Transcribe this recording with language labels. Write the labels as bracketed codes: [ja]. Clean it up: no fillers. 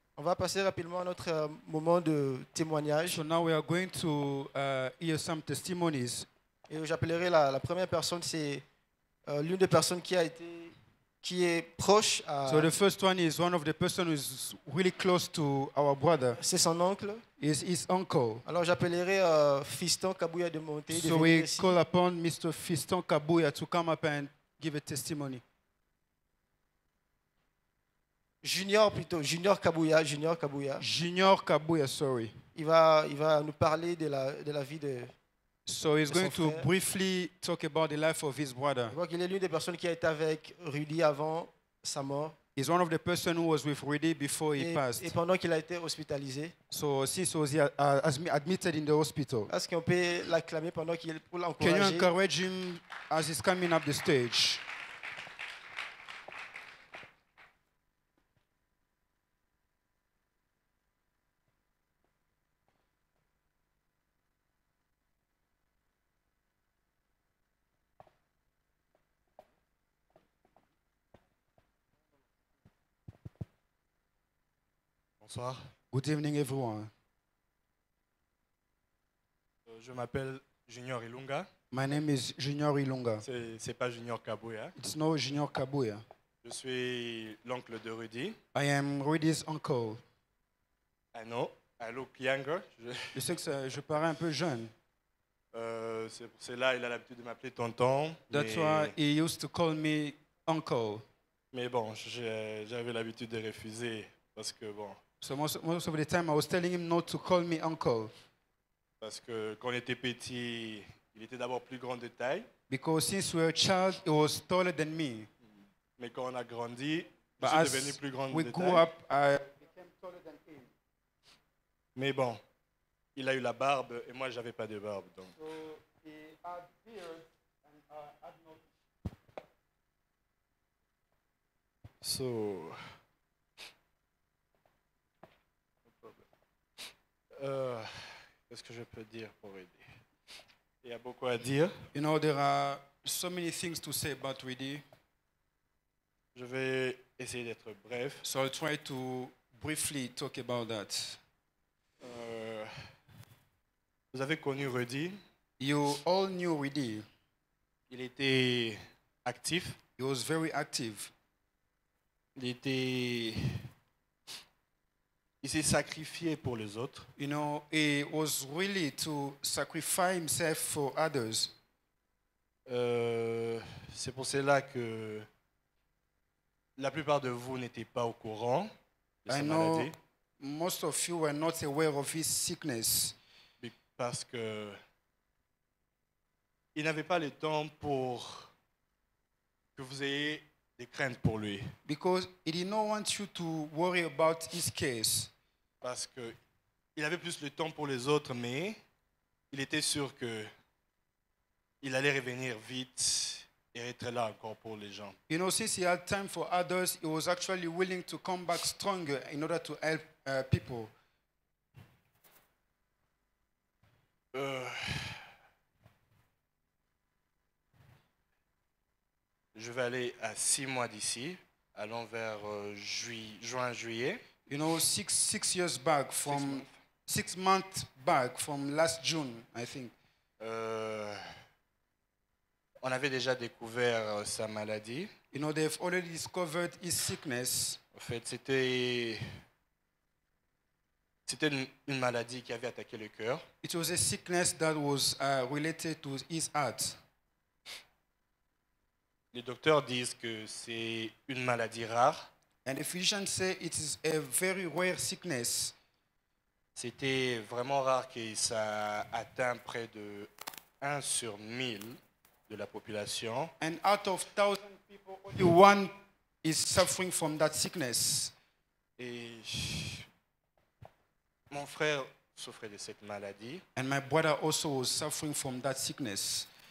[fr] On va passer rapidement à notre moment de témoignage. [en] So now we are going to hear some testimonies. [fr] Et j'appellerai la première personne, c'est l'une des personnes qui est proche à. [en] So the first one is one of the person who is really close to our brother. [fr] C'est son oncle. [en] Is his uncle. [fr] Alors j'appellerai Fiston Kabuya de monter. [en] So we call upon Mr. Fiston Kabuya to come up and give a testimony. Junior Kabuya. Junior Kabuya, sorry. [fr] Il va nous parler de la vie de. [en] So he's going to briefly talk about the life of his brother. [fr] Je vois qu'il est l'une des personnes qui a été avec Rudy avant sa mort. [en] He's one of the person who was with Rudy before he passed. [fr] Et pendant qu'il a été hospitalisé. [en] So since he was admitted in the hospital. [fr] Est-ce qu'on peut l'acclamer pendant qu'il est pour l'encourager? [en] Can you encourage him as he's coming up the stage? [fr] Bonsoir. [en] Good evening, everyone. [fr] Je m'appelle Junior Ilunga. [en] My name is Junior Ilunga. [fr] C'est pas Junior Kabuya. [en] It's not Junior Kabuya. [fr] Je suis l'oncle de Rudy. [en] I am Rudy's uncle. I know. I look younger. [fr] Je sais que ça, je parais un peu jeune. C'est là, il a l'habitude de m'appeler tonton. [en] That's why he used to call me uncle. [fr] Mais bon, j'avais l'habitude de refuser. Parce que bon. [en] So most of the time, I was telling him not to call me uncle. [fr] Parce que quand on était petit, il était d'abord plus grand de taille. [en] Because since we were a child, he was taller than me. [fr] Mais quand on a grandi, je suis devenu plus grand de taille. [en] We grew up, I became taller than him. [fr] Mais bon, il a eu la barbe et moi, j'avais pas de barbe donc. [en] So he had beard and had no. So. [fr] Qu'est-ce que je peux dire pour Rudy? Il y a beaucoup à dire. [en] You know, there are so many things to say about Rudy. [fr] Je vais essayer d'être bref. [en] So I'll try to briefly talk about that. [fr] Vous avez connu Rudy. [en] You all knew Rudy. [fr] Il était actif. [en] He was very active. [fr] Il était. Il s'est sacrifié pour les autres. [en] You know, he was really to sacrifice himself for others. [fr] C'est pour cela que la plupart de vous n'étiez pas au courant de sa maladie. [en] I know most of you were not aware of his sickness. [fr] Parce que il n'avait pas le temps pour que vous ayez des craintes pour lui. [en] Because he did not want you to worry about his case. [fr] Parce que il avait plus le temps pour les autres, mais il était sûr que il allait revenir vite et être là encore pour les gens. [en] You know, since he had time for others, he was actually willing to come back stronger in order to help people. [fr] Je vais aller à 6 mois d'ici, allons vers juin juillet. [en] You know, six years back from six months back from last June, I think. [fr] On avait déjà découvert sa maladie. [en] You know, they've already discovered his sickness. [fr] En fait, c'était une maladie qui avait attaqué le cœur. [en] It was a sickness that was related to his heart. [fr] Les docteurs disent que c'est une maladie rare. [en] And the physicians say it is a very rare sickness. [fr] C'était vraiment rare que ça atteint près de 1 sur 1000 de la population. [en] And out of 1000 people, only one is suffering from that sickness. [fr] Et mon frère souffrait de cette maladie. [en] And my brother also was suffering from that sickness.